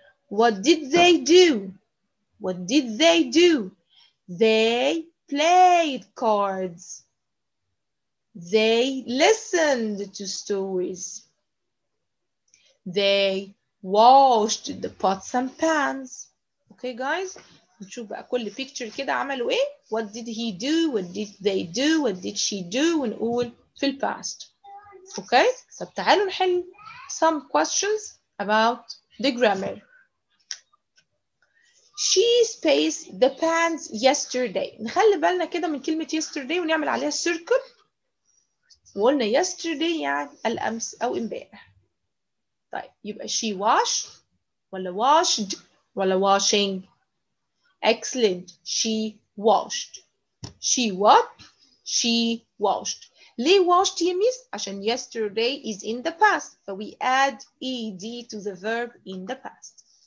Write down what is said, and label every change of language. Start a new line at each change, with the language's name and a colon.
English: What did they do? What did they do? They played cards. They listened to stories. They washed the pots and pans. Okay, guys?
Arabic: نشوف بقى كل picture كده عملوا ايه؟
English: What did he do? What did they do? What did she do?
Arabic: ونقول في الباست.
English: Okay?
Arabic: طب تعالوا نحل
English: some questions about the grammar. She spaced the pans yesterday.
Arabic: نخلي بالنا كده من كلمة yesterday ونعمل عليها circle. وقلنا yesterday يعني الأمس أو امبارح. طيب يبقى
English: she washed
Arabic: ولا washed ولا washing.
English: Excellent. She washed. She what? She washed.
Arabic: ليه
English: washed
Arabic: يا ميس؟ عشان
English: yesterday is in the past. So we add ed to the verb in the past.